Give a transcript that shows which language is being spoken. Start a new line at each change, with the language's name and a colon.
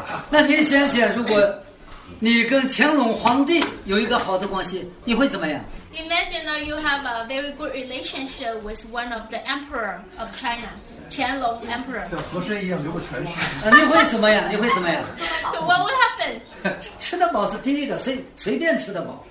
Chinese: 那你想想，如果你跟乾隆皇帝有一个好的关系，你会怎么样
English: ？Imagine you have a very good relationship with one of the emperor of China.
Chinese: 乾隆 emperor，像和珅一样留个全尸。你会怎么样？你会怎么样
English: ？What will happen？
Chinese: 吃得饱是第一个，随便吃得饱。